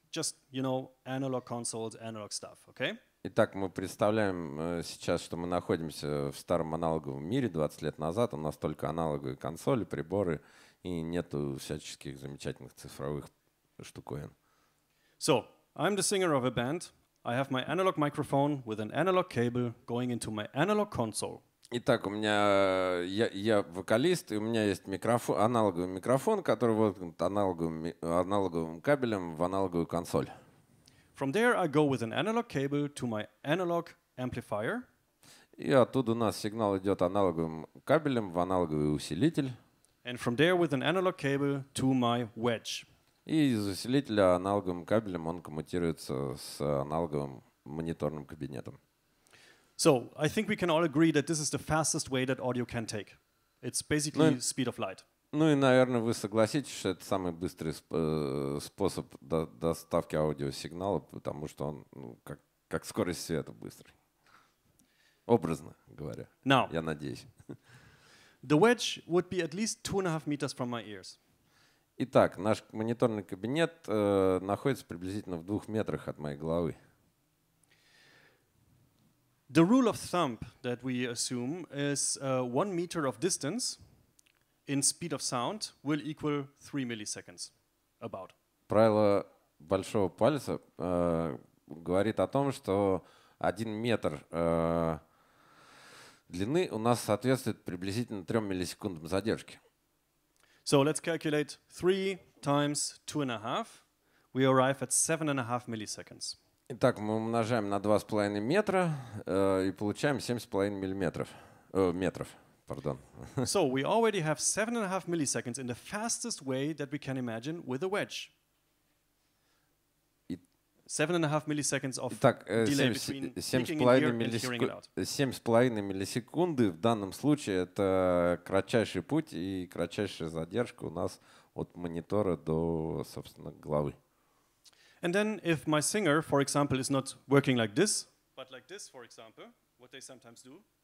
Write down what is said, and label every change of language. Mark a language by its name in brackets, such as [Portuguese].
[English] Just, you know, analog consoles, analog stuff, okay? [Russian] Итак, мы представляем сейчас, что мы находимся в старом аналоговом мире 20 лет назад. У нас только аналоговые консоли, приборы. И нету всяческих замечательных цифровых штуковин. [English] So, I'm the singer of a band. I have my analog microphone with an analog cable going into my analog console. [Russian] Итак, у меня я вокалист, и у меня есть аналоговый микрофон, который воткнут аналоговым кабелем в аналоговую консоль. [English] From there I go with an analog cable to my analog amplifier. [Russian] И оттуда у нас сигнал идет аналоговым кабелем в аналоговый усилитель. [English] And from there with an analog cable to my wedge. [Russian] И из усилителя аналоговым кабелем он коммутируется с аналоговым мониторным кабинетом. [English] So, I think we can all agree that this is the fastest way that audio can take. It's basically speed of light. [Russian] Ну и, наверное, вы согласитесь, что это самый быстрый способ доставки аудиосигнала, потому что он, ну, как скорость света быстрый. Образно говоря. [English] Now. [Russian] Я надеюсь. [English] The wedge would be at least 2.5 meters from my ears. [Russian] Итак, наш мониторный кабинет находится приблизительно в 2 метрах от моей головы. [English] The rule of thumb that we assume is 1 meter of distance in speed of sound will equal 3 milliseconds, about. [Russian] Правило большого пальца говорит о том, что 1 метр длины у нас соответствует приблизительно 3 миллисекундам задержки. [English] So let's calculate 3 times 2.5. We arrive at 7.5 milliseconds. [Russian] Итак, мы умножаем на 2.5 метра и получаем 7.5 миллиметров. Метров, pardon. [English] So we already have 7.5 milliseconds in the fastest way that we can imagine with a wedge. 7.5 milliseconds of [Russian] Итак, delay 7.5 миллисекунды в данном случае — это кратчайший путь и кратчайшая задержка у нас от монитора до, собственно, головы. [English] And then if my singer, for example, is not working like this, but like this, for example, what they sometimes do.